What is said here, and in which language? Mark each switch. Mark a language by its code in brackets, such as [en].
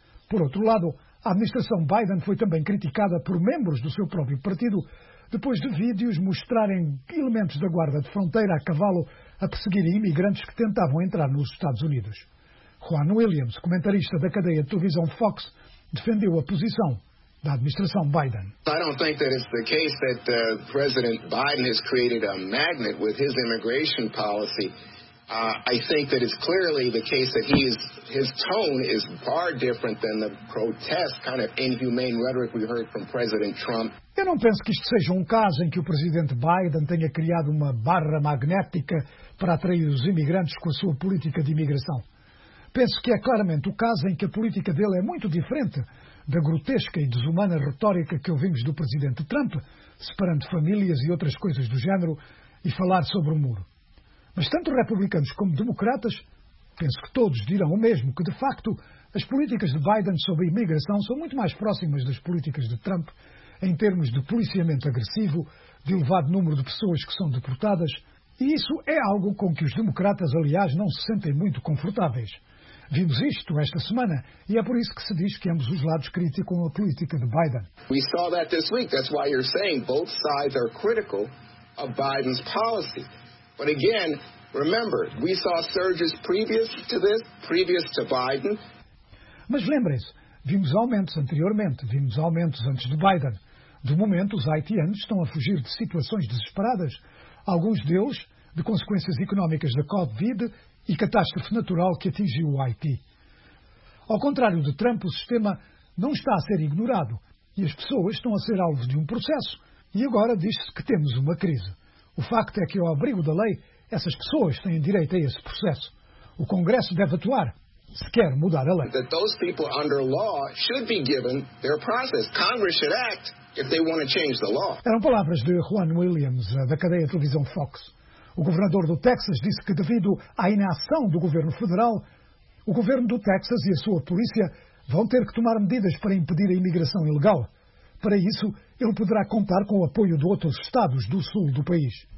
[pt] Por outro lado, a administração Biden foi também criticada por membros do seu próprio partido, depois de vídeos mostrarem elementos da Guarda de Fronteira a cavalo a perseguirem imigrantes que tentavam entrar nos Estados Unidos. Juan Williams, comentarista da cadeia de televisão Fox, defendeu a posição da administração Biden. [en] I don't think that it's the case that President Biden has created a magnet with his immigration policy. I think that it's clearly the case that his tone is far different than the grotesque kind of inhumane rhetoric we heard from President Trump. [pt] Eu não penso que isto seja um caso em que o presidente Biden tenha criado uma barra magnética para atrair os imigrantes com a sua política de imigração. Penso que é claramente o caso em que a política dele é muito diferente da grotesca e desumana retórica que ouvimos do presidente Trump, separando famílias e outras coisas do género, e falar sobre o muro. Mas tanto republicanos como democratas, penso que todos dirão o mesmo, que de facto as políticas de Biden sobre a imigração são muito mais próximas das políticas de Trump, em termos de policiamento agressivo, de elevado número de pessoas que são deportadas, e isso é algo com que os democratas, aliás, não se sentem muito confortáveis. Vimos isto esta semana, e é por isso que se diz que ambos os lados criticam a política de Biden. [en] We saw that this week. That's why you're saying both sides are critical of Biden's policy. But again, remember, we saw surges previous to this, previous to Biden. [pt] Mas lembrem-se, vimos aumentos anteriormente, vimos aumentos antes de Biden. De momento, os haitianos estão a fugir de situações desesperadas, alguns deles de consequências económicas da Covid e catástrofe natural que atingiu o Haiti. Ao contrário de Trump, o sistema não está a ser ignorado e as pessoas estão a ser alvo de um processo e agora diz-se que temos uma crise. O facto é que, ao abrigo da lei, essas pessoas têm direito a esse processo. O Congresso deve atuar se quer mudar a lei. [en] Those people under law should be given their process. Congress should act if they want to change the law. [pt] Eram palavras de Juan Williams, da cadeia de televisão Fox. O governador do Texas disse que, devido à inação do governo federal, o governo do Texas e a sua polícia vão ter que tomar medidas para impedir a imigração ilegal. Para isso, ele poderá contar com o apoio de outros estados do sul do país.